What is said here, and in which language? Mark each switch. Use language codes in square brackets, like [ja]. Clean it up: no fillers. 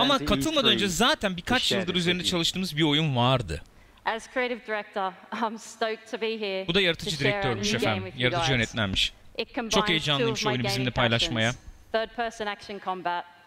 [tr] Ama katılmadan önce zaten birkaç yıldır üzerinde çalıştığımız bir oyun vardı. [en] As creative director, I'm stoked to be here. [tr] Bu da yaratıcı direktörmüş efendim. Yaratıcı yönetmenmiş. Çok heyecanlıyım şu oyunu bizimle paylaşmaya. [en] Third person action combat